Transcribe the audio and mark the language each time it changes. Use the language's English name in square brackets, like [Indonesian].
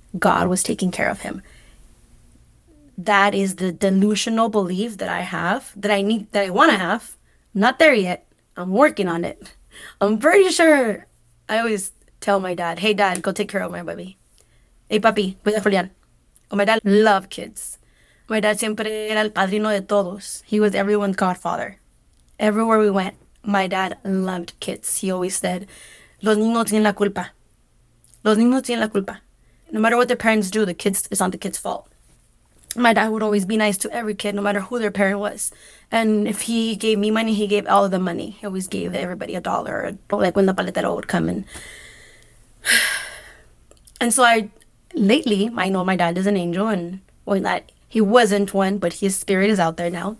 [English] God was taking care of him. That is the delusional belief that I have, that I need, that I want to have. I'm not there yet. I'm working on it. I'm pretty sure. I always tell my dad, hey, dad, go take care of my baby. Hey, [Spanish] papi, cuida [English] Julian. Oh, my dad loved kids. My dad [Spanish] siempre era el padrino de todos. [English] He was everyone's godfather. Everywhere we went, my dad loved kids. He always said, [Spanish] Los niños no tienen la culpa. Los niños no tienen la culpa. [English] No matter what their parents do, the kids, it's not the kids' fault. My dad would always be nice to every kid, no matter who their parent was. And if he gave me money, he gave all of the money. He always gave everybody a dollar, like when the paletero would come. And so lately, I know my dad is an angel, and when that he wasn't one, but his spirit is out there now.